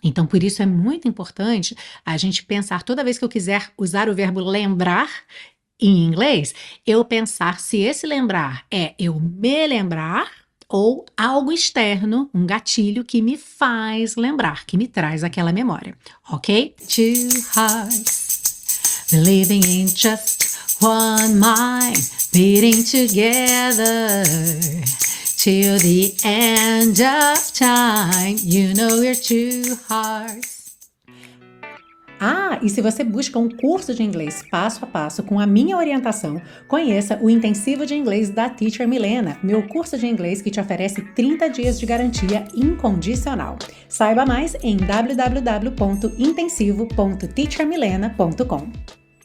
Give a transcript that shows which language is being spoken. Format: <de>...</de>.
<pt>Então, por isso é muito importante a gente pensar, toda vez que eu quiser usar o verbo lembrar em inglês, eu pensar se esse lembrar é eu me lembrar ou algo externo, um gatilho que me faz lembrar, que me traz aquela memória, ok?</pt> <en>Two hearts, believing in just one mind, beating together till the end of time. You know your two hearts.</en> <pt>Ah, e se você busca um curso de inglês passo a passo com a minha orientação, conheça o Intensivo de Inglês da Teacher Milena, meu curso de inglês que te oferece 30 dias de garantia incondicional. Saiba mais em www.intensivo.teachermilena.com.</pt>